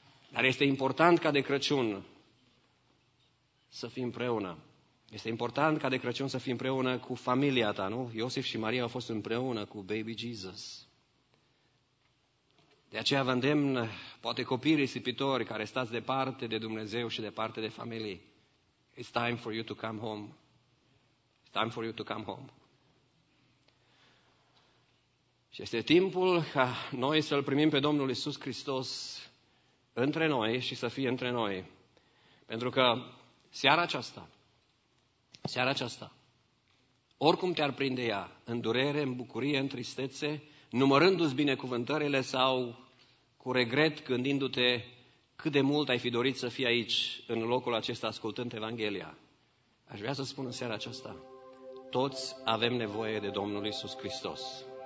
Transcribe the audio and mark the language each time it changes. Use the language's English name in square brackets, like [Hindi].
[Romanian] Dar este important ca de Crăciun să fim împreună. Este important ca de Crăciun să fim împreună cu familia ta, nu? Iosif și Maria au fost împreună cu baby Jesus. De aceea vă îndemn, poate copiii risipitori care stați departe de Dumnezeu și departe de familie. [English] It's time for you to come home. It's time for you to come home. [Romanian] Și este timpul ca noi să-L primim pe Domnul Iisus Hristos între noi și să fie între noi. Pentru că seara aceasta, oricum te-ar prinde ea, în durere, în bucurie, în tristețe, numărându-ți binecuvântările sau cu regret gândindu-te cât de mult ai fi dorit să fii aici, în locul acesta, ascultând Evanghelia, aș vrea să spun în seara aceasta, toți avem nevoie de Domnul Iisus Hristos.